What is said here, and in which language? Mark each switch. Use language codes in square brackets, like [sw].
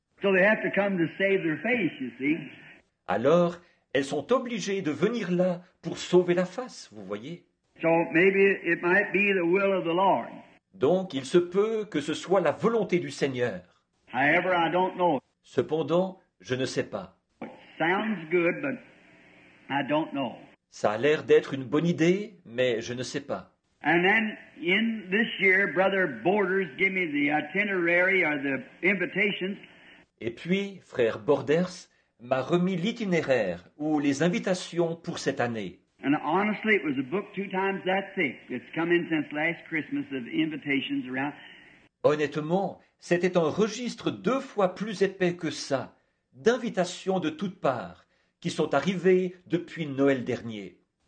[en] So they have to come to save their face, you see. [fr] Alors, elles sont obligées de venir là pour sauver la face, vous voyez. [en] So maybe it might be the will of the Lord. [fr] Donc, il se peut que ce soit la volonté du Seigneur. [en] However, I don't know. [fr] Cependant, je ne sais pas. [en] sounds good, but I don't know. [fr] Ça a l'air d'être une bonne idée, mais je ne sais pas. [en] And then in this year, Brother Borders gave me the itinerary or the invitations. [fr] Et puis, frère Borders m'a remis l'itinéraire ou les invitations pour cette année. [en] And honestly, it was a book two times that thick. It's come in since last Christmas of invitations around. [fr] Honnêtement, c'était un registre deux fois plus épais que ça, d'invitations de toutes parts, qui sont arrivées depuis Noël dernier.